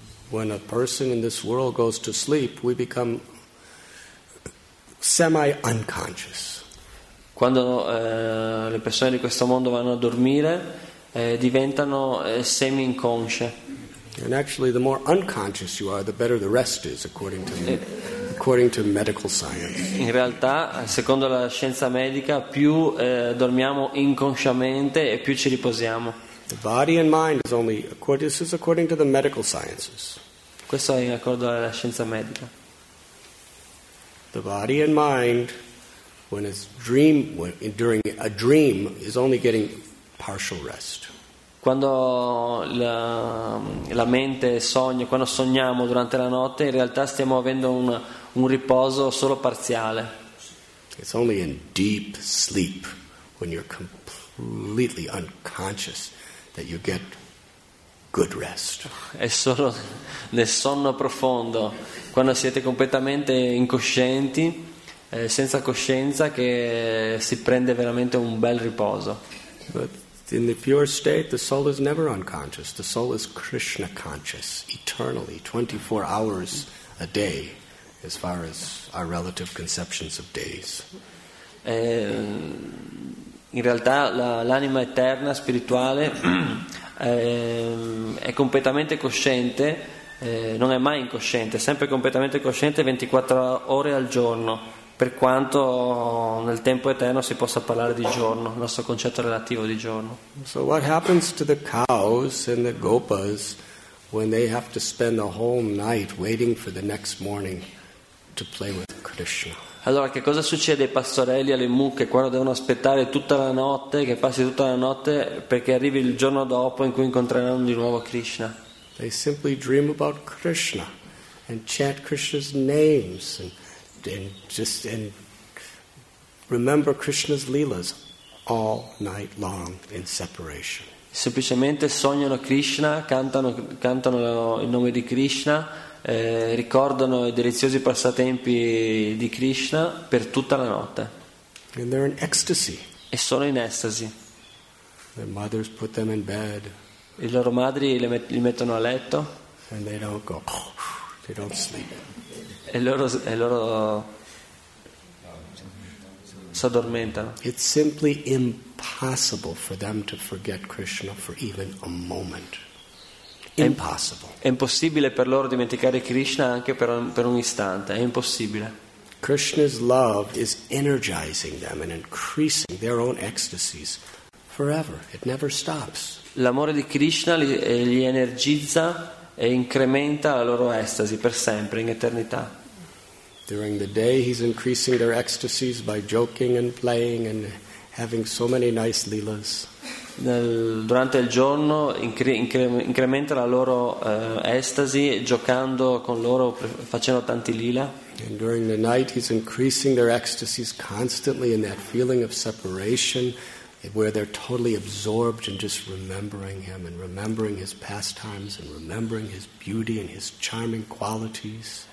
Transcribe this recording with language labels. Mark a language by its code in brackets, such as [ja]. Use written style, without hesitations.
[en] When a person in this world goes to sleep, we become semi-unconscious. [it] Quando le persone di questo mondo vanno a dormire, diventano semi-inconsce. [en] And actually, the more unconscious you are, the better the rest is, according to medical science. [it] In realtà, secondo la scienza medica, più dormiamo inconsciamente e più ci riposiamo. [en] The body and mind is only according. This is according to the medical sciences. [it] Questo è in accordo alla scienza medica. [en] The body and mind, when it's dream, during a dream, is only getting partial rest. [it] Quando la mente sogna, quando sogniamo durante la notte, in realtà stiamo avendo un riposo solo parziale. [en] It's only in deep sleep, when you're completely unconscious, that you get good rest. [it] È solo nel sonno profondo, quando siete completamente incoscienti, senza coscienza, che si prende veramente un bel riposo. [en] But in the pure state, the soul is never unconscious. The soul is Krishna conscious, eternally, 24 hours a day, as far as our relative conceptions of days. [it] In realtà, l'anima eterna, spirituale, è completamente cosciente, non è mai incosciente, è sempre completamente cosciente 24 ore al giorno, per quanto nel tempo eterno si possa parlare di giorno, il nostro concetto relativo di giorno. [en] So what happens to the cows and the gopas when they have to spend the whole night waiting for the next morning to play with Krishna? [it] Allora, che cosa succede ai pastorelli, alle mucche, quando devono aspettare tutta la notte, che passi tutta la notte perché arrivi il giorno dopo in cui incontreranno di nuovo Krishna? [en] They simply dream about Krishna and chant Krishna's names and remember Krishna's leelas all night long in separation. [it] Semplicemente sognano Krishna, cantano il nome di Krishna. Ricordano i deliziosi passatempi di Krishna per tutta la notte. [en] And they're in ecstasy. [it] E sono in estasi. [en] Their mothers put them in bed. [it] I loro madri li mettono a letto. [en] And they don't go. They don't sleep. [it] E loro si addormentano. [en] It's simply impossible for them to forget Krishna for even a moment. [it] È impossibile per loro dimenticare Krishna anche per un istante, è impossibile. [en] Krishna's love is energizing them and increasing their own ecstasies forever. It never stops. [it] L'amore di Krishna li energizza e incrementa la loro estasi per sempre, in eternità. [en] During the day he's increasing their ecstasies by joking and playing and having so many nice leelas. [it] Durante il giorno incrementa la loro estasi giocando con loro, facendo tanti lila. [en] And during the night he's increasing their ecstasies constantly in that feeling of separation where they're totally absorbed in just remembering him and remembering his pastimes and remembering his beauty and his charming qualities.